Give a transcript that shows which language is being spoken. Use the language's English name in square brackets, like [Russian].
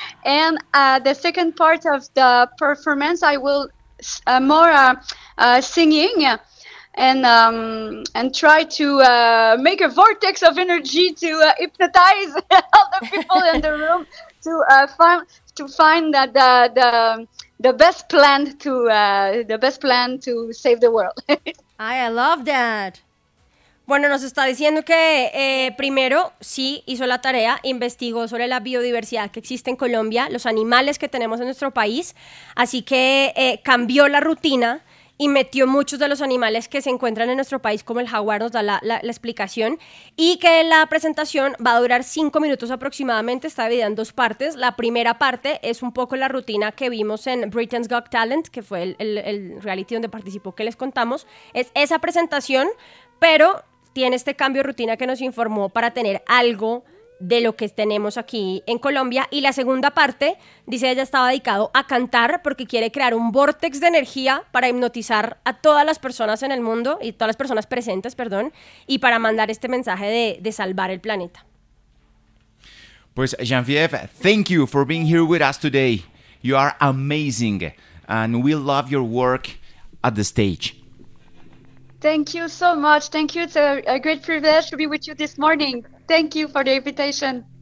[English] And the second part of the performance, I will singing and try to make a vortex of energy to hypnotize all the people in the room to find the best plan to save the world. Ay, I love that. [Spanish] Bueno, nos está diciendo que primero sí hizo la tarea, investigó sobre la biodiversidad que existe en Colombia, los animales que tenemos en nuestro país, así que cambió la rutina y metió muchos de los animales que se encuentran en nuestro país, como el jaguar, nos da la explicación, y que la presentación va a durar 5 minutos aproximadamente, está dividida en dos partes. La primera parte es un poco la rutina que vimos en Britain's Got Talent, que fue el reality donde participó, que les contamos. Es esa presentación, pero tiene este cambio de rutina que nos informó para tener algo de lo que tenemos aquí en Colombia. Y la segunda parte, dice ella, estaba dedicado a cantar porque quiere crear un vórtex de energía para hipnotizar a todas las personas en el mundo y todas las personas presentes, perdón, y para mandar este mensaje de salvar el planeta. [English] Pues, Genevieve, thank you for being here with us today. You are amazing and we love your work at the stage. Thank you so much. Thank you. It's a great privilege to be with you this morning. Thank you for the invitation.